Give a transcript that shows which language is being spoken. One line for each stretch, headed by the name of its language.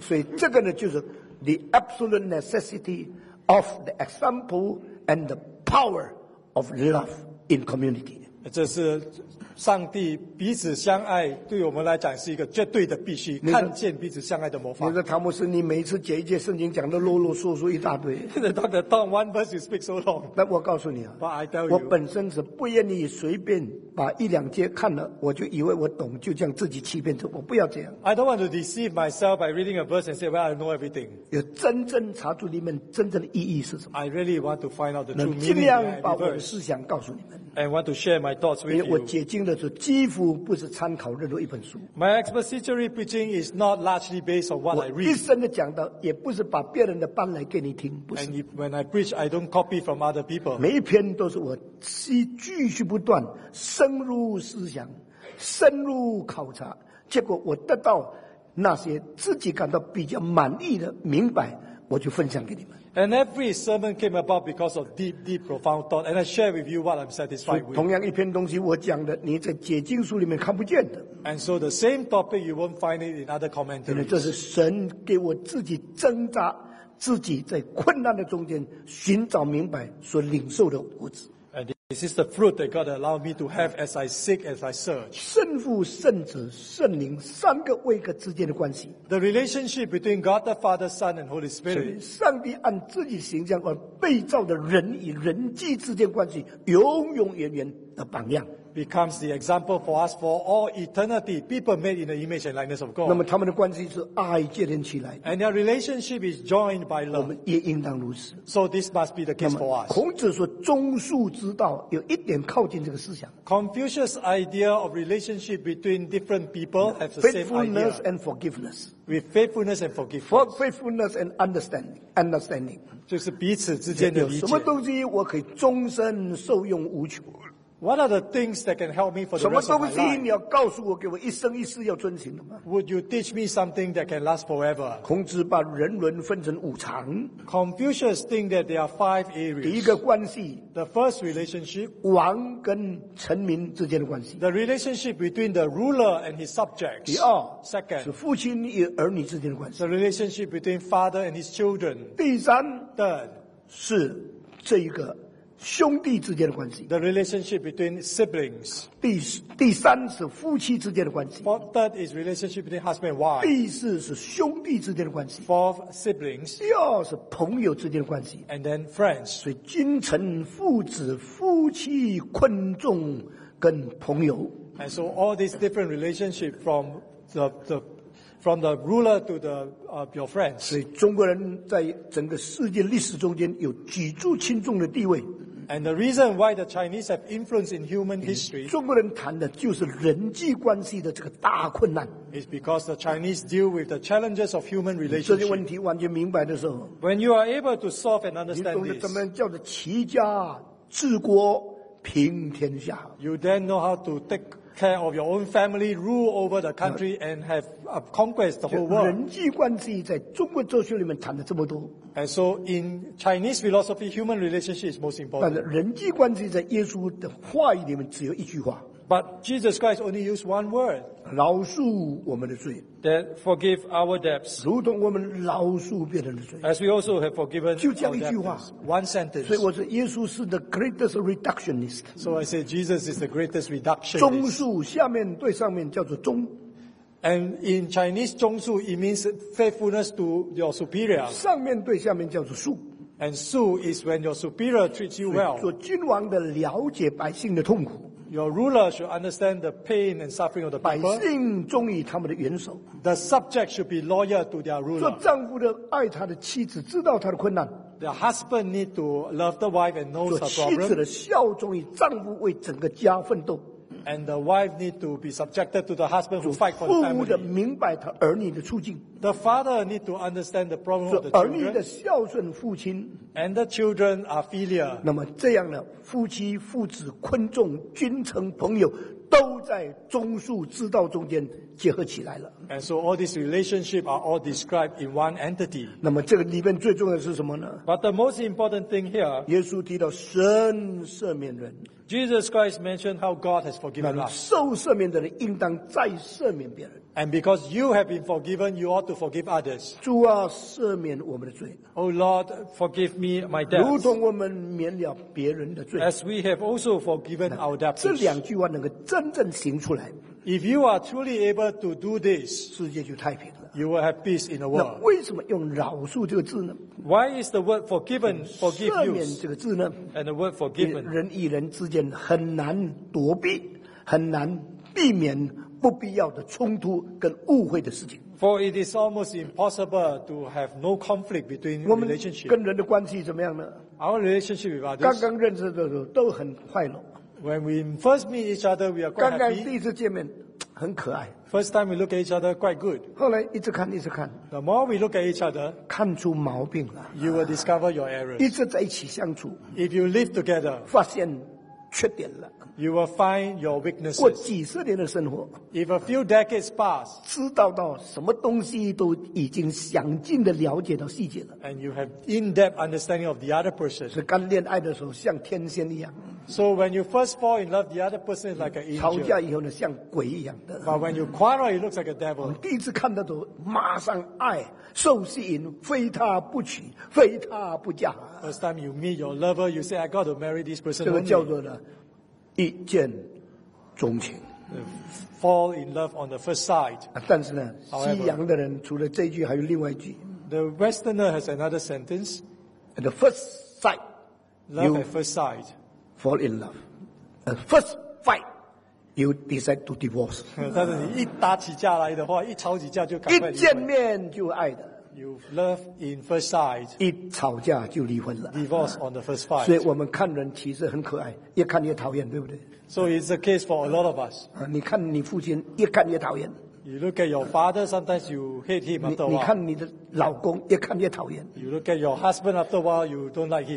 Chinese: 所以这个呢，就是
English: the absolute necessity of the example and the power。 Of love in community.
Chinese: 这是上帝彼此相爱，对我们来讲是一个绝对的必须。看见彼此相爱的模范。你说汤姆斯，你每次解一节圣经讲的啰啰嗦嗦一大堆。
English: Doctor Tom, one verse you speak so long.
Chinese: 那我告诉你啊
English: ，But I tell you，
Chinese: 我本身是不愿意随便把一两节看了，我就以为我懂，就这样自己欺骗着我，不要这样。
English: I don't want to deceive myself by reading a verse and say, "Well, I know everything."
Chinese: 要真正查出里面真正的意义是什么。
English: I really want to find out the true meaning.
Chinese: 尽量把我的思想告诉你们。
English: And want to share my thoughts with you.
Chinese: 因为我解经的时候几乎不是参考任何一本书。
English: My expository preaching is not largely based on what I read.
Chinese: 我一生的讲道也不是把别人的搬来给你听，不是。
English: And if, when I preach, I don't copy from other people.
Chinese: 每一篇都是我继续不断深入思想，深入考察，结果我得到那些自己感到比较满意的明白，我就分享给你们。
English: And every sermon came about because of deep, deep, profound thought. And I share with you what I'm satisfied with.
Chinese: 同样一篇东西我讲的，你在解经书里面看不见的。
English: And so the same topic you won't find it in other commentaries.
Chinese: 因为这是神给我自己挣扎，自己在困难的中间寻找明白所领受的果子。
English: And this is the fruit that God allowed me to have as I seek, as I search.
Chinese: 圣父、圣子、圣灵三个位格之间的关系。
English: The relationship between God the Father, Son, and Holy Spirit.
Chinese: 上帝按自己形象而被造的人与人际之间关系，永永远远的榜样。
English: Becomes the example for us for all eternity. People made in the image and likeness of God.
Chinese: 那么他们的关系是爱建立起来。
English: And their relationship is joined by love.
Chinese: 我们也应当如此。
English: So this must be the case for us.
Chinese: 孔子说忠恕之道有一点靠近这个思想。
English: Confucius' idea of relationship between different people has the same idea. Faithfulness and forgiveness. With faithfulness and forgiveness. Faithfulness and understanding.
Chinese: 就是彼此之间的理解。有什么东西我可以终身受用无穷？
English: What are the things that can help me for the rest of my life?
Chinese: 什么东西你要告诉我，给我一生一世要遵循的吗？
English: Would you teach me something that can last forever?
Chinese: 孔子把人伦分成五常。
English: Confucius think that there are five areas.
Chinese: 第一个关系。
English: The first relationship.
Chinese: 王跟臣民之间的关系。
English: The relationship between the ruler and his subjects.
Chinese: 第二。
English: Second.
Chinese: 是父亲与儿女之间的关系。
English: The relationship between father and his children.
Chinese: 第三。
English: Third.
Chinese: 是这一个。兄弟之间的关系。
English: The relationship between siblings.
Chinese: 第三是夫妻之间的关系。
English: Fourth, third is relationship between husband and wife.
Chinese: 第四是兄弟之间的关系。
English: Fourth, siblings.
Chinese: 第二是朋友之间的关系。
English: And then friends.
Chinese: 所以君臣、父子、夫妻、困众跟朋友。
English: And so all these different relationships from the ruler to your friends.
Chinese: 所以中国人在整个世界历史中间有举足轻重的地位。
English: And the reason why the Chinese have influence in human history.
Chinese: 中国人谈的就是人际关系的这个大困难。
English: Is because the Chinese deal with the challenges of human relationship.
Chinese: 这些问题完全明白的时候。
English: When you are able to solve and understand this.
Chinese: 你懂得怎么叫做齐家治国平天下。
English: You then know how to take care of your own family, rule over the country, and have conquest the whole world.
Chinese: 人际关系在中国哲学里面谈的这么多。
English: And so in Chinese philosophy, human relationship is most important.
Chinese: 但是人际关系在耶稣的话语里面只有一句话。
English: But Jesus Christ only used one word.
Chinese: 饶恕我们的罪。
English: That forgive our debts.
Chinese: 如同我们饶恕别人的罪。
English: As we also have forgiven our debtors.
Chinese: 就这样一句话。
English: One sentence.
Chinese: 所以我说耶稣是
English: the greatest reductionist. So I say Jesus is the greatest reductionist.
Chinese: 忠恕下面对上面叫做忠。
English: And in Chinese, 忠恕 it means faithfulness to your superior.
Chinese: 上面对下面叫做恕。
English: And 恕 is when your superior treats you well.
Chinese: 做君王的了解百姓的痛苦。
English: Your ruler should understand the pain and suffering of the people.
Chinese: 百姓忠于他们的元首。
English: The subject should be loyal to their ruler.
Chinese: 做丈夫的爱他的妻子，知道他的困难。
English: The husband need to love the wife and know her problem.
Chinese: 做妻子的效忠于丈夫，为整个家奋斗。
English: And the wife need to be subjected to the husband who fight for the family.
Chinese: 父母的明白他儿女的处境。
English: The father need to understand the problem of the children.
Chinese: 儿女的孝顺父亲。
English: And the children are filial.
Chinese: 那么这样呢，夫妻、父子、昆仲、君臣、朋友，都在忠恕之道中间结合起来了。
English: And so all these relationships are all described in one entity.
Chinese: 那么这个里面最重要的是什么呢？
English: But the most important thing here.
Chinese: 耶稣提到神赦免人。
English: Jesus Christ mentioned how God has forgiven us.
Chinese: 受赦免的人应当再赦免别人。
English: And because you have been forgiven, you ought to forgive others.
Chinese: 主啊，赦免我们的罪。
English: Oh Lord, forgive me my debts.
Chinese: 如同我们免了别人的罪。
English: As we have also forgiven our debtors.
Chinese: 这两句话能够真正行出来。
English: If you are truly able to do this,
Chinese: 世界就太平了。
English: You will have peace in the world.
Chinese: 那为什么用饶恕这个字呢？
English: Why is the word forgiven, forgive you?
Chinese: 赦免这个字呢？
English: And the word forgiven.
Chinese: 人与人之间很难躲避，很难避免不必要的冲突跟误会的事情。
English: For it is almost impossible to have no conflict between relationship.
Chinese: 跟人的关系怎么样呢？
English: Our relationship with others.
Chinese: 刚刚认识的时候都很快乐。
English: When we first meet each other, we are quite happy.
Chinese: 刚刚第一次见面，很可爱。
English: First time we look at each other, quite good.
Chinese: 后来一直看，一直看。
English: The more we look at each other,
Chinese: 看出毛病了。
English: You will discover your errors.
Chinese: 一直在一起相处。
English: If you live together,
Chinese: 发现缺点了。
English: You will find your weaknesses.
Chinese: 过几十年的生活。
English: If a few decades pass,
Chinese: 知道到什么东西都已经详尽的了解到细节了。
English: And you have in-depth understanding of the other person.
Chinese: 是刚恋爱的时候像天仙一样。
English: So when you first fall in love, the other person is like an angel.
Chinese: 吵架以后呢，像鬼一样的。
English: But when you quarrel, it looks like a devil.
Chinese: 我第一次看到都马上爱受吸引，非他不娶，非他不嫁。
English: First time you meet your lover, you say, "I got to marry this person."
Chinese: 这个叫做呢，一见钟情。
English: Fall in love on the first sight.
Chinese: 但是呢，西洋的人除了这句，还有另外一句。
English: The Westerner has another sentence. At the first sight, love at first sight. Fall in love. A first fight, you decide to divorce.
Chinese: 但是你一打起架来的话，一吵起架就赶快离婚。一见面就爱的。
English: You love in first sight.
Chinese: 一吵架就离婚了。
English: Divorce on the first fight.
Chinese: 所以我们看人其实很可爱，越看越讨厌，对不对？
English: So it's a case for a lot of us.
Chinese: 你看你父亲，越看越讨厌。
English: You look at your father, sometimes you hate him after a while.
Chinese: 你看你的老公，越看越讨厌。
English: You look at your husband after a while, you don't like him.